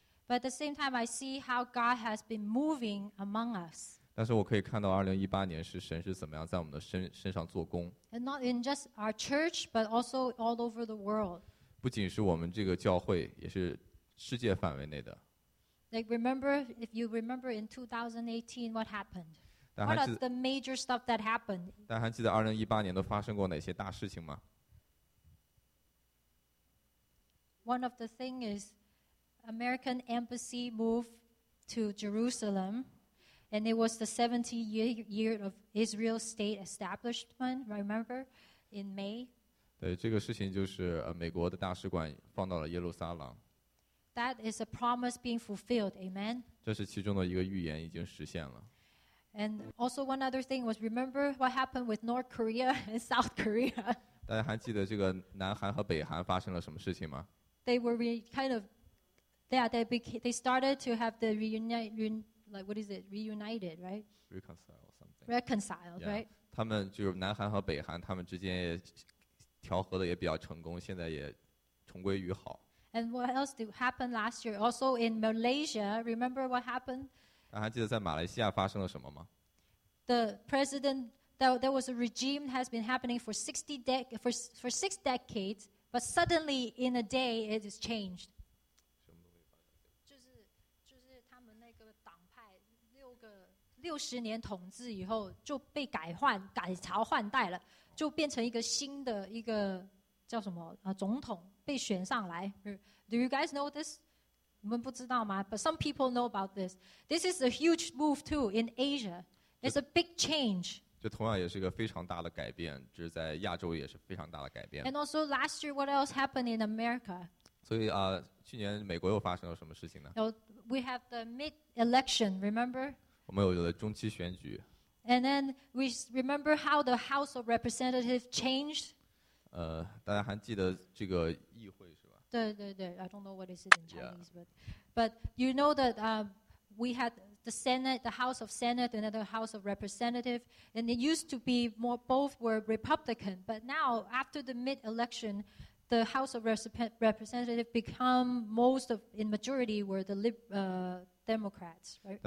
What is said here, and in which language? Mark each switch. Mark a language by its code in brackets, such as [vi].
[en] But at the same time, I see how God has been moving among us. [zh] 但是我可以看到2018年是神是怎么样在我们的身上做工 [en] And not in just our church, but also all over the world. [zh] 不仅是我们这个教会，也是世界范围内的 [en] Like remember, if you remember in 2018, what happened? What are the major stuff that happened? [zh] 但还记得2018年都发生过哪些大事情吗？ [en] One of the things is American embassy moved to Jerusalem, and it was the 70th year of Israel state establishment. Remember, in May. [zh] 对，这个事情就是美国的大使馆放到了耶路撒冷。 [en] That is a promise being fulfilled. Amen. [zh] 这是其中的一个预言已经实现了。 [en] And also one other thing was remember what happened with North Korea and South Korea. [zh] 大家还记得这个南韩和北韩发生了什么事情吗？ [en] They were kind of, yeah. They started to have the reunited, right? Reconcile something. Reconciled, yeah. Right? [zh] 他们就是南韩和北韩，他们之间也调和的也比较成功，现在也重归于好。 [en] And what else did happen last year? Also in Malaysia, remember what happened? [zh] 还记得在马来西亚发生了什么吗 [en] ？The president, there was a regime has been happening for six decades. But suddenly, in a day, it is changed. [zh] 就是他们那个党派六十年统治以后就被改朝换代了，就变成一个新的一个叫什么总统被选上来。 [en] Do you guys know this? [zh] 你们不知道吗 [en] ？But some people know about this. This is a huge move too in Asia. It's a big change. [zh] 这同样也是一个非常大的改变，这是在亚洲也是非常大的改变。 [en] And also last year, what else happened in America? [zh] 所以去年美国又发生了什么事情呢 [en] ？We have the mid-election, remember? [zh] 我们有了中期选举。 [en] And then we remember how the House of Representatives changed. [zh] 大家还记得这个议会是吧？ [en] 对，I don't know what is it in Chinese,、yeah. but you know that we had. The Senate, the House of Senate, and the House of Representatives, and it used to be more both were Republican, but now after the mid-election, the House of Representatives become most of in majority were the Democrats, right?